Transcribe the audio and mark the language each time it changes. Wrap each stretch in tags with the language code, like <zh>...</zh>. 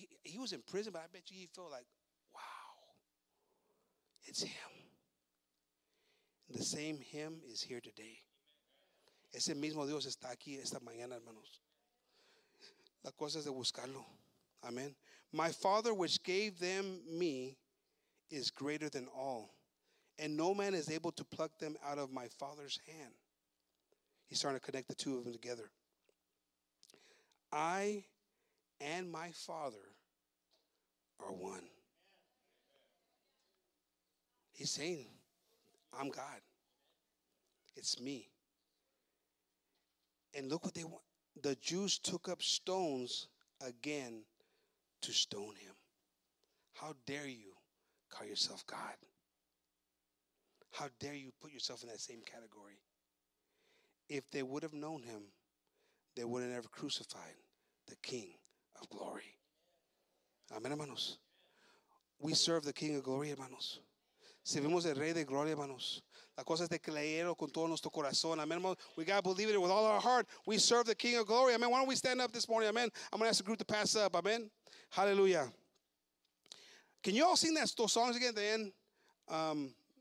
<en>He was in prison, but I bet you he felt like, wow, it's him. The same him is here today.</en> <es>Ese mismo Dios está aquí esta mañana, hermanos. La cosa es de buscarlo. Amen.</es> <en>My Father, which gave them me, is greater than all. And no man is able to pluck them out of my Father's hand. He's starting to connect the two of them together. I and my Father are one. He's saying, I'm God. It's me. And look what they want. The Jews took up stones again to stone him. How dare you call yourself God? How dare you put yourself in that same category? If they would have known him, they would have never crucified the King of Glory. Amen, hermanos. We serve the King of Glory, hermanos.</en> <es>Servimos el Rey de Gloria, hermanos. La cosa es de creerlo con todo nuestro corazón. Amen, hermanos.</es> <en>We got to believe it with all our heart. We serve the King of Glory. Amen. Why don't we stand up this morning? Amen. I'm going to ask the group to pass up. Amen. Hallelujah. Can you all sing those songs again at the end?</en>